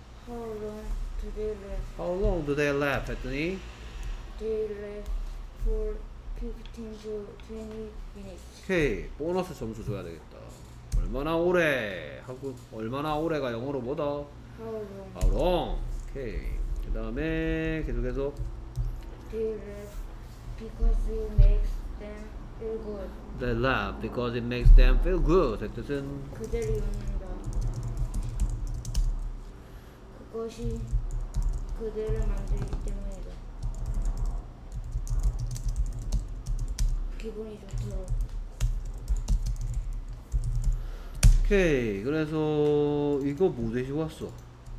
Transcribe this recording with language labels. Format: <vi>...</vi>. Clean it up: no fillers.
<en>How long do they last? How long do they last?</en> <ko>했더니</ko> <en>They last for 15 to 20 minutes.</en> <ko>오케이, 보너스 점수 줘야 되겠다. 얼마나 오래? 하고 얼마나 오래가 영어로 뭐다?</ko> <en>How long? How long?</en> <ko>오케이. 그 다음에 계속해서</ko> <en>They laugh because it makes them feel good. They laugh because it makes them feel good.</en> <ko>그 뜻은 그들이 웃는다. 그것이 그들을 만들기 때문이다. 기분이 좋도록. 오케이, 그래서 이거 뭐 되시고 왔어?</ko>